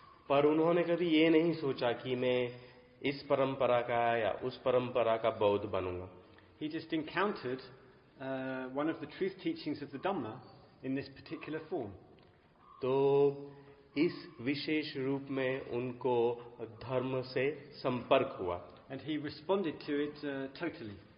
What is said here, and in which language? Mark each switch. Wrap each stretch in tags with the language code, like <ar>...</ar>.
<hi>पर उन्होंने कभी ये नहीं सोचा कि मैं इस परंपरा का या उस परंपरा का बौद्ध बनूंगा।</hi> <en>He just encountered one of the truth teachings of the Dhamma in this particular form.</en> <hi>तो इस विशेष रूप में उनको धर्म से संपर्क हुआ।</hi> <en>And he responded to it totally.</en>